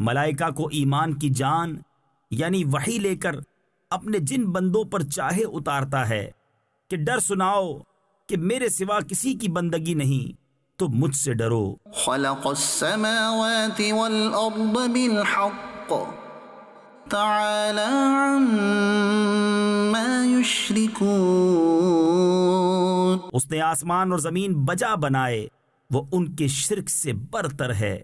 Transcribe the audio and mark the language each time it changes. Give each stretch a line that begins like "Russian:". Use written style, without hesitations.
Urdu: ملائكہ کو ایمان کی جان یعنی وحی لے کر اپنے جن بندوں پر چاہے اتارتا ہے کہ ڈر سناؤ کہ میرے سوا کسی کی بندگی نہیں تو مجھ سے ڈرو.
Arabic: خلق السماوات والأرض بالحق تعالى عما يشركون.
Urdu: اس نے آسمان اور زمین بجا بنائے, وہ ان کے شرک سے برتر ہے.